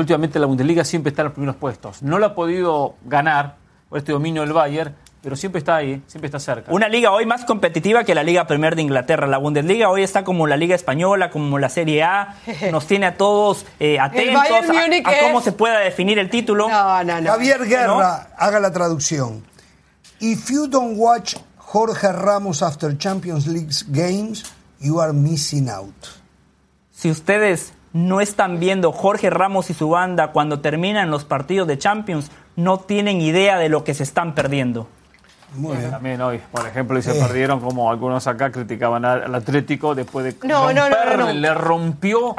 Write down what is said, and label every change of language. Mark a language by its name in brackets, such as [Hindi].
[Spanish] Últimamente la Bundesliga siempre está en los primeros puestos. No la ha podido ganar por este dominio del Bayern, pero siempre está ahí, siempre está cerca. Una liga hoy más competitiva que la Liga Premier de Inglaterra. La Bundesliga hoy está como la Liga Española, como la Serie A. Nos tiene a todos atentos a cómo se pueda definir el título. No. Javier Guerra, ¿no? Haga la traducción. [English] If you don't watch Jorge Ramos after Champions League games, you are missing out. [Spanish] Si ustedes no están viendo Jorge Ramos y su banda cuando terminan los partidos de Champions, no tienen idea de lo que se están perdiendo. Muy bien. También hoy, por ejemplo, y se perdieron, como algunos acá criticaban al Atlético después de romperle, le rompió